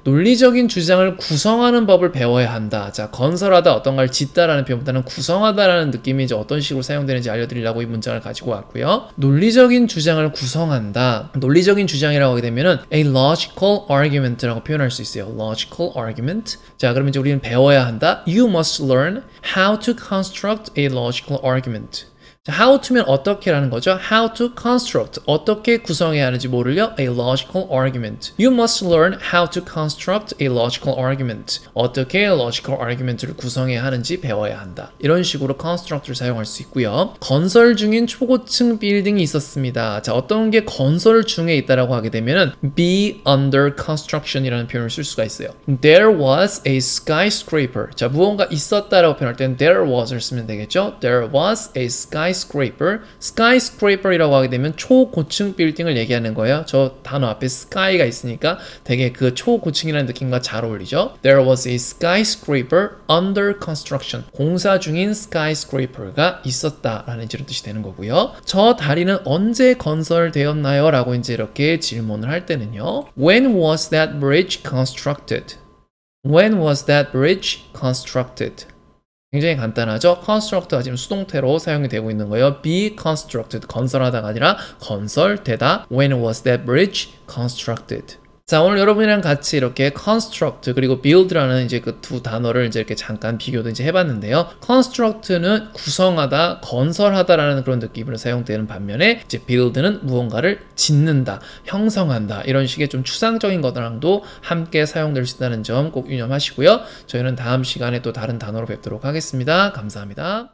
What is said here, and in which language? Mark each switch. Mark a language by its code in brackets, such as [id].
[ko] 논리적인 주장을 구성하는 법을 배워야 한다. 자, 건설하다, 어떤 걸 짓다라는 표현보다는 구성하다라는 느낌이 이제 어떤 식으로 사용되는지 알려드리려고 이 문장을 가지고 왔고요. 논리적인 주장을 구성한다. 논리적인 주장이라고 하게 되면은 [en] a logical argument [ko] 라고 표현할 수 있어요. logical argument. 자, 그럼 이제 우리는 배워야 한다. [en] You must learn how to construct a logical argument. [ko] How to면 어떻게 라는 거죠. [en] How to construct, [ko] 어떻게 구성해야 하는지 모를려 [en] a logical argument. You must learn how to construct a logical argument. [ko] 어떻게 logical argument를 구성해야 하는지 배워야 한다. 이런 식으로 construct를 사용할 수 있고요. 건설 중인 초고층 빌딩이 있었습니다. 자, 어떤 게 건설 중에 있다라고 하게 되면은 [en] be under construction [ko] 이라는 표현을 쓸 수가 있어요. [en] There was a skyscraper. [ko] 자, 무언가 있었다라고 표현할 때는 there was를 쓰면 되겠죠. [en] There was a skyscraper [ko] 이라고 하게 되면 초고층 빌딩을 얘기하는 거예요. 저 단어 앞에 sky가 있으니까 되게 그 초고층이라는 느낌과 잘 어울리죠. [en] There was a skyscraper under construction. [ko] 공사 중인 skyscraper가 있었다라는 이런 뜻이 되는 거고요. 저 다리는 언제 건설되었나요? 라고 이제 이렇게 질문을 할 때는요. [en] When was that bridge constructed? When was that bridge constructed? [ko] 굉장히 간단하죠? construct가 지금 수동태로 사용이 되고 있는 거예요. be constructed, 건설하다가 아니라 건설되다. [en] when was that bridge constructed? [ko] 자, 오늘 여러분이랑 같이 이렇게 construct 그리고 build라는 이제 그 두 단어를 이제 이렇게 잠깐 비교도 이제 해봤는데요. construct는 구성하다, 건설하다라는 그런 느낌으로 사용되는 반면에 이제 build는 무언가를 짓는다, 형성한다 이런 식의 좀 추상적인 것들랑도 함께 사용될 수 있다는 점 꼭 유념하시고요. 저희는 다음 시간에 또 다른 단어로 뵙도록 하겠습니다. 감사합니다.